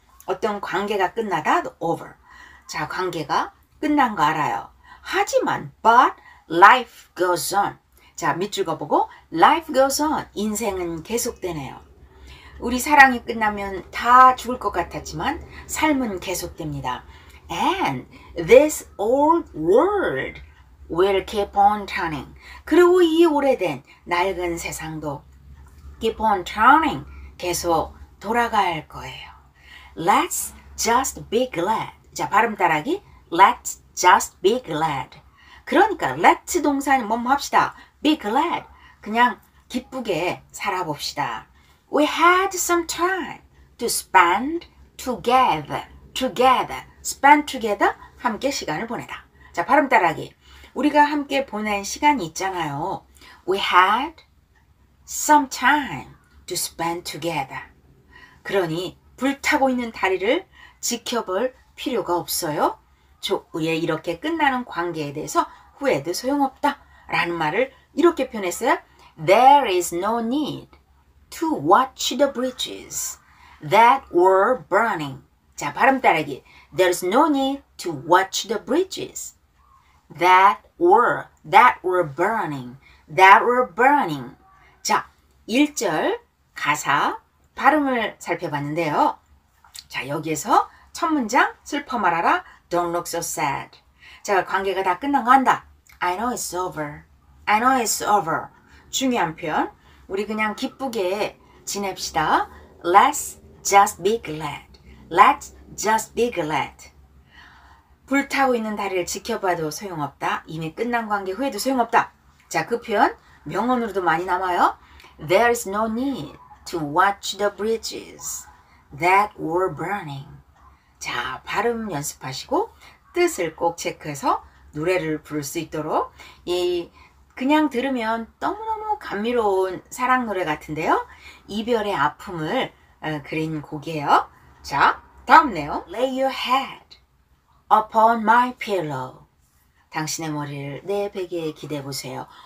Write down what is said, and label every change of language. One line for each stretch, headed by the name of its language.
Korean: 어떤 관계가 끝나다?
English: Over.
Korean: 자, 관계가 끝난 거 알아요. 하지만,
English: but life goes on.
Korean: 자, 밑줄 그어보고,
English: life goes on.
Korean: 인생은 계속되네요. 우리 사랑이 끝나면 다 죽을 것 같았지만, 삶은 계속됩니다.
English: And this old world will keep on turning.
Korean: 그리고 이 오래된 낡은 세상도
English: keep on turning.
Korean: 계속 돌아갈 거예요.
English: Let's just be glad.
Korean: 자, 발음 따라하기.
English: Let's just be glad.
Korean: 그러니까 let 동사는 뭐뭐 합시다.
English: Be glad.
Korean: 그냥 기쁘게 살아봅시다.
English: We had some time to spend together. Together. Spend together.
Korean: 함께 시간을 보내다. 자, 발음 따라하기. 우리가 함께 보낸 시간이 있잖아요.
English: We had some time to spend together.
Korean: 그러니 불타고 있는 다리를 지켜볼 필요가 없어요. 우리의 이렇게 끝나는 관계에 대해서 후회도 소용없다 라는 말을 이렇게 표현했어요.
English: There is no need to watch the bridges that were burning.
Korean: 자, 발음 따라하기.
English: There is no need to watch the bridges that were burning. That were burning.
Korean: 자, 1절 가사 발음을 살펴봤는데요. 자, 여기에서 첫 문장 슬퍼 말아라.
English: Don't look so sad.
Korean: 자, 관계가 다 끝난 거 한다.
English: I know it's over. I know it's over.
Korean: 중요한 표현. 우리 그냥 기쁘게 지냅시다.
English: Let's just be glad. Let's just be glad.
Korean: 불타고 있는 다리를 지켜봐도 소용없다. 이미 끝난 관계 후에도 소용없다. 자, 그 표현 명언으로도 많이 남아요.
English: There is no need to watch the bridges that were burning.
Korean: 자, 발음 연습하시고 뜻을 꼭 체크해서 노래를 부를 수 있도록 이 그냥 들으면 너무너무 감미로운 사랑 노래 같은데요. 이별의 아픔을 그린 곡이에요. 자, 다음 내용.
English: Lay your head upon my pillow.
Korean: 당신의 머리를 내 베개에 기대 보세요.